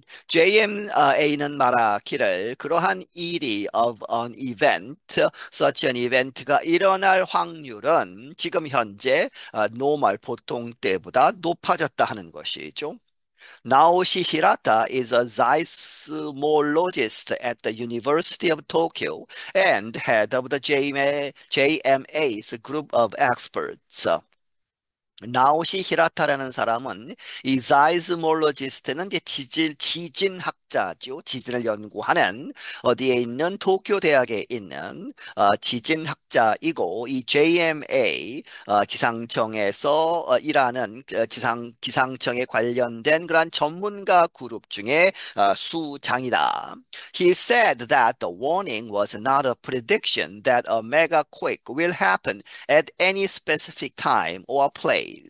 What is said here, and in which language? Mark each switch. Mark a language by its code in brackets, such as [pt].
[ko] JMA는 말하기를 그러한 일이 [en] of an event, such an event [ko] 가 일어날 확률은 지금 현재 normal 보통 때보다 높아졌다 하는 것이죠. [en] Naoshi Hirata is a seismologist at the University of Tokyo and head of the JMA's group of experts. [ko] 나오시 히라타라는 사람은 이 사이즈몰로지스트는 지진학자죠. 지진을 연구하는 어디에 있는 도쿄 대학에 있는 지진학자이고 이 JMA 기상청에서 일하는 기상청에 관련된 그러한 전문가 그룹 중에 수장이다. [en] He said that the warning was not a prediction that a mega quake will happen at any specific time or place.